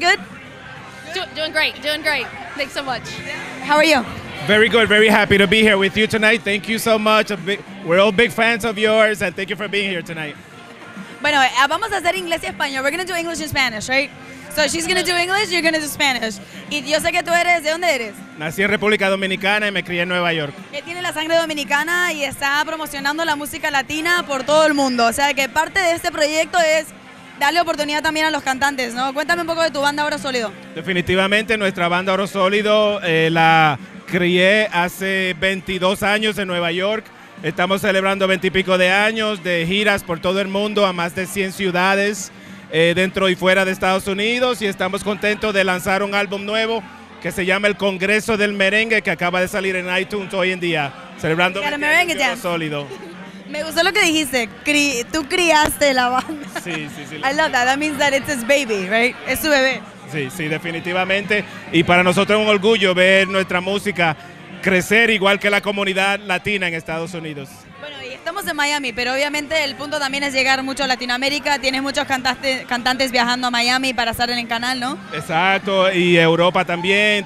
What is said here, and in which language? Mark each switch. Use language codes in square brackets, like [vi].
[en] Doing great. Thanks so much. How are you? Very good. Very happy to be here with you tonight. Thank you so much. We're all big fans of yours, and thank you for being here tonight. [es] Bueno, vamos a hacer inglés y español. [en] We're going to do English and Spanish, right? So she's going to do English, you're going to do Spanish. [es] Y yo sé que tú eres, ¿de dónde eres? Nací en República Dominicana y me crié en Nueva York. Él tiene la sangre dominicana y está promocionando la música latina por todo el mundo. O sea, que parte de este proyecto es darle oportunidad también a los cantantes, ¿no? Cuéntame un poco de tu banda Oro Sólido. Definitivamente, nuestra banda Oro Sólido la crié hace 22 años en Nueva York. Estamos celebrando 20 y pico de años de giras por todo el mundo a más de 100 ciudades dentro y fuera de Estados Unidos, y estamos contentos de lanzar un álbum nuevo que se llama El Congreso del Merengue, que acaba de salir en iTunes hoy en día, celebrando el Merengue Jam. Sólido. Me gustó lo que dijiste, tú criaste la banda. Sí. [en] I love that means that it's his baby, right? [es] Es su bebé. Sí, definitivamente. Y para nosotros es un orgullo ver nuestra música crecer igual que la comunidad latina en Estados Unidos. Bueno, y estamos en Miami, pero obviamente el punto también es llegar mucho a Latinoamérica. Tienes muchos cantantes viajando a Miami para estar en el canal, ¿no? Exacto, y Europa también.